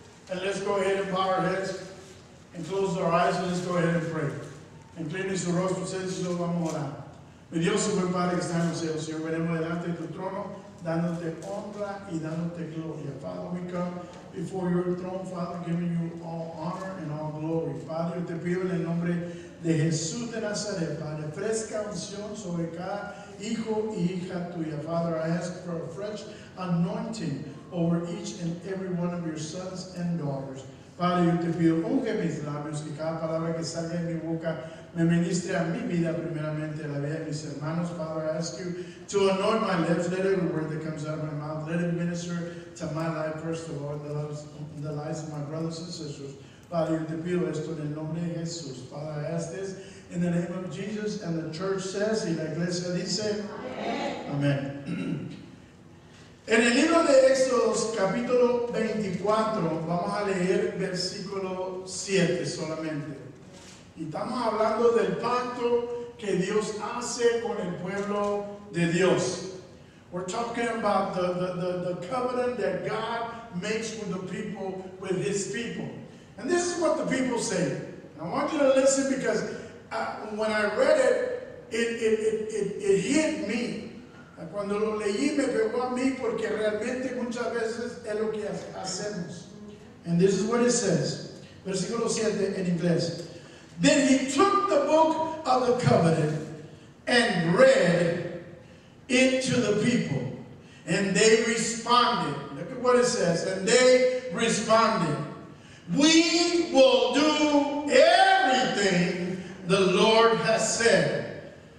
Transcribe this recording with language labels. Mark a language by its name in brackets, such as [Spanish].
[English] And let's go ahead and bow our heads. And close our eyes and let's go ahead and pray. [Spanish] Incline su rostro, ustedes y yo vamos a orar. Mi Dios, Señor Padre, que está en los cielos, Señor, venimos delante de tu trono, dándote honra y dándote gloria. [English] Father, we come before your throne, Father, giving you all honor and all glory. [Spanish] Father, yo te pido en el nombre de Jesús de Nazaret, Padre, fresca unción sobre cada hijo y hija tuya. [English] Father, I ask for a fresh anointing over each and every one of your sons and daughters. [Spanish] Padre, yo te pido, unge mis labios, que cada palabra que salga de mi boca me ministre a mi vida primeramente, a la vida de mis hermanos. [English] Father, I ask you to anoint my lips, let every word that comes out of my mouth, let it minister to my life first of all, the lives of my brothers and sisters. Padre, yo te pido esto en el nombre de Jesús. Father, I ask this in the name of Jesus, and the church says, y la iglesia dice, amén. [Spanish] En el libro de Éxodos, capítulo 24, vamos a leer versículo 7 solamente. Y estamos hablando del pacto que Dios hace con el pueblo de Dios. [English] We're talking about the covenant that God makes with the people, with his people. And this is what the people say. I want you to listen because when I read it, it hit me. [Spanish] Cuando lo leí me pegó a mí porque realmente muchas veces es lo que hacemos. [English] And this is what it says. Versículo 7 en inglés. Then he took the book of the covenant and read it to the people. And they responded. Look at what it says. And they responded. We will do everything the Lord has said.